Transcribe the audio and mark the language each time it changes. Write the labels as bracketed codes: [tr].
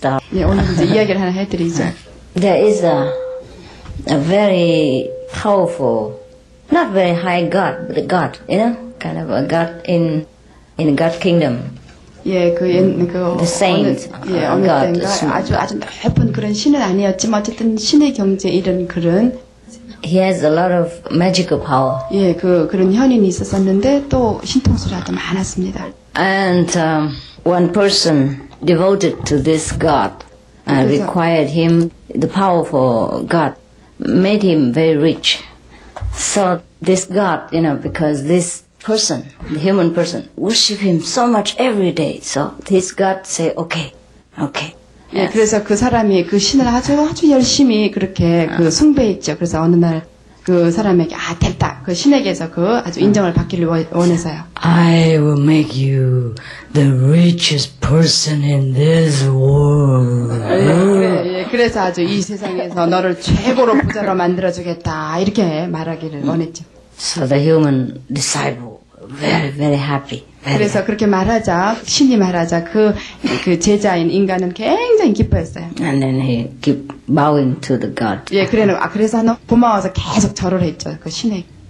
[ko] 네, 오늘 이제 이야기를 하나 해드리죠. [en] There is a very powerful, not very high God, but a God, you know, kind of a God in God kingdom. [ko] 예, 그 [en] The saint, [ko] 예, God. 아주 아주 높은 그런 신은 아니었지만 어쨌든 신의 경지에 이른 그런. [en] He has a lot of magical power. [ko] 예, 그런 현인이 있었었는데 또 신통수를 아주 많았습니다. [en] And one person. Devoted to this God, required him, the powerful God, made him very rich. So this god, you know, because this person, the human person, worship him so much every day. So this god say, okay. [ko] 네, 그래서 그 사람이 그 신을 아주 아주 열심히 그렇게 그 숭배했죠. 그래서 어느 날 그 사람에게 아 됐다. 그 신에게서 그 아주 인정을 받기를 원해서요. [en] I will make you the richest person in this world. [ko] 네, 그래, 그래서 아주 이 세상에서 너를 최고로 부자로 만들어 주겠다. 이렇게 말하기를 원했죠. [en] So the human disciple very very happy. [ko] 그래서 그렇게 말하자, 신이 말하자, 그 제자인 인간은 굉장히 기뻐했어요. [en] And then he keep bowing to the god. [ko] 예, 그래, 아, 그래서 하나 고마워서 계속 절을 했죠, 그 신에.